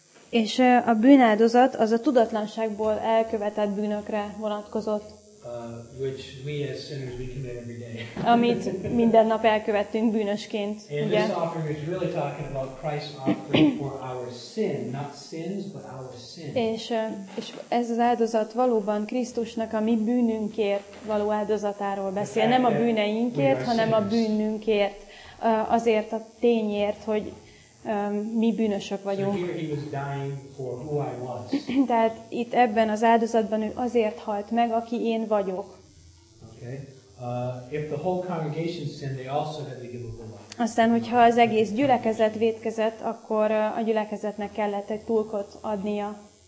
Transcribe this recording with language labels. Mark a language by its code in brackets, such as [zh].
[hu] És a bűnáldozat az a tudatlanságból elkövetett bűnökre vonatkozott. [en] Which we as sinners we commit every day. [hu] Amit minden nap elkövettünk bűnösként. [en] And [hu] ugye? [en] This offering is really talking about Christ's offering for our sin, not sins, but our sin. [hu] És ez az áldozat valóban Krisztusnak a mi bűnünkért való áldozatáról beszél. Nem a bűneinkért, hanem [en] sinners. [hu] A bűnünkért. Azért a tényért, hogy mi bűnösök vagyunk. [en] So here he was dying for who I was. [hu] Tehát itt ebben az áldozatban ő azért halt meg, aki én vagyok. [en] Okay. If the whole congregation sinned, they also had to give a bullock. [hu] Aztán, hogyha az egész gyülekezet vétkezett, akkor a gyülekezetnek kellett egy tulkot adnia.